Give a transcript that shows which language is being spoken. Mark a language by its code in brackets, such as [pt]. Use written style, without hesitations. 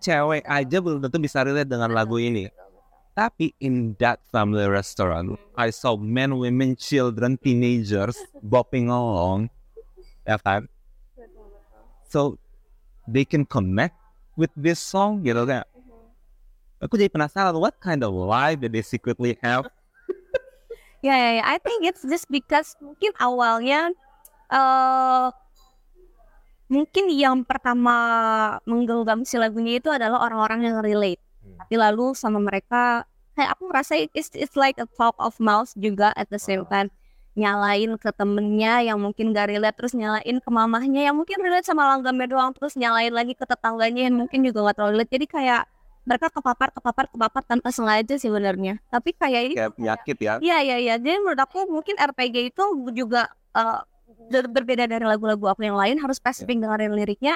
[id] Cewek aja belum tentu bisa relate dengan lagu ini. Tapi [en] in that family restaurant, I saw men, women, children, teenagers bopping along, [id] ya kan? [en] So they can connect with this song, [id] gitu kan? Aku jadi penasaran, [en] what kind of life did they secretly have? Yeah. I think it's just because [id] mungkin awalnya, mungkin yang pertama menggenggam si lagunya itu adalah orang-orang yang relate. Tapi lalu sama mereka, kayak aku merasa [en] it's like a talk of mouth [id] juga [en] at the same time. [id] Nyalain ke temennya yang mungkin gak relate, terus nyalain ke mamahnya yang mungkin relate sama langgamnya doang, terus nyalain lagi ke tetangganya yang mungkin juga gak terlalu relate. Jadi kayak mereka kepapar tanpa sengaja sih benernya. Tapi kayak ini kayak penyakit ya. Iya. Jadi menurut aku mungkin RPG itu juga berbeda dari lagu-lagu aku yang lain, harus spesifik dengerin liriknya.